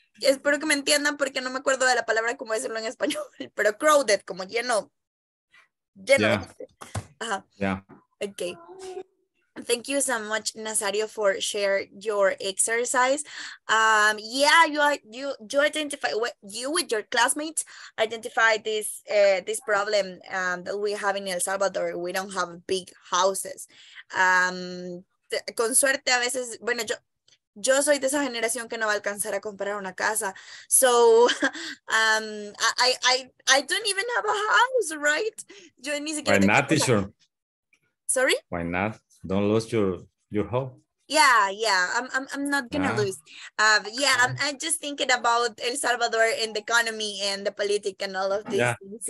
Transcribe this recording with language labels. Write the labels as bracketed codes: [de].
[es] Espero que me entiendan porque no me acuerdo de la palabra cómo decirlo en español, pero crowded, como lleno. [en] Okay. Thank you so much, Nazario, for share your exercise. You identify with your classmates identify this problem that we have in El Salvador. We don't have big houses. [es] Con suerte a veces, bueno, yo soy de esa generación que no va a alcanzar a comprar una casa. [en] So, I don't even have a house, right? [es] Yo ni siquiera. [en] Why not, teacher? Sorry? Why not? Don't lose your home. Yeah. I'm not gonna lose. I'm just thinking about El Salvador and the economy and the politic and all of these things.